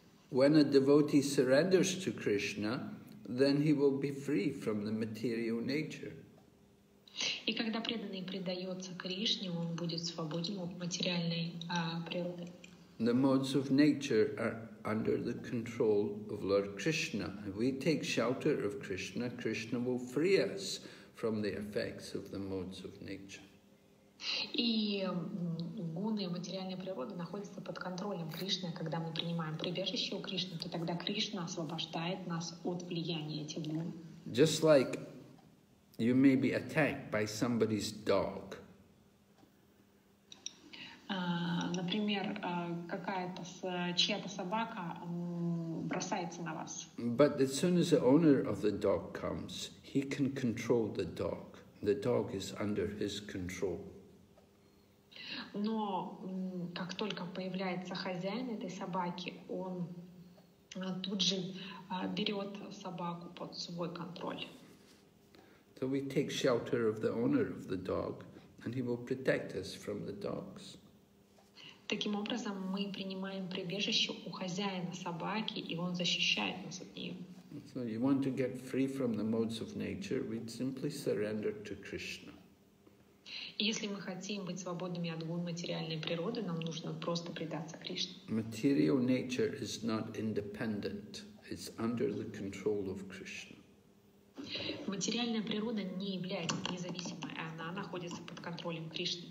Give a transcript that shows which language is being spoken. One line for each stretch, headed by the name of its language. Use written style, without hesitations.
English: When a devotee surrenders to Krishna, then he will be free from the material nature.
Russian: И когда преданный предается Кришне, он будет свободен от материальной природы.
English: The modes of nature are under the control of Lord Krishna. If we take shelter of Krishna, Krishna will free us from the effects of the modes of nature.
Russian: И гуны материальной природы находятся под контролем Кришны. Когда мы принимаем прибежище у Кришны, то тогда Кришна освобождает нас от влияния этих гун.
English: Just like you may be attacked by somebody's dog.
Russian: Например, какая-то чья-то собака бросается на вас.
English: But as soon as the owner of the dog comes, he can control the dog. The dog is under his control.
Russian: Но как только появляется хозяин этой собаки, он тут же берет собаку под свой контроль.
English: So we take shelter of the owner of the dog, and he will protect us from the dogs.
Russian: Таким образом, мы принимаем прибежище у хозяина собаки, и он защищает нас от нее.
English: So you want to get free from the modes of nature, we simply surrender to Krishna.
Russian: Если мы хотим быть свободными от гун материальной природы, нам нужно просто предаться Кришне.
English: Material nature is not independent. It's under the control of Krishna.
Russian: Материальная природа не является независимой, она находится под контролем Кришны.